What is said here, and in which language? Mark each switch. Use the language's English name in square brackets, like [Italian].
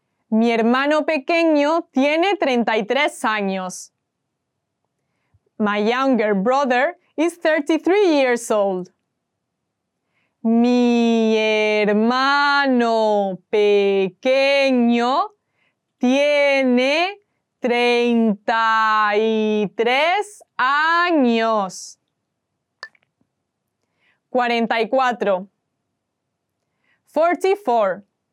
[Spanish] Mi hermano pequeño tiene 33 años. [English] My younger brother is 33 years old. [Spanish] Mi hermano pequeño tiene 33 años. 44. 44.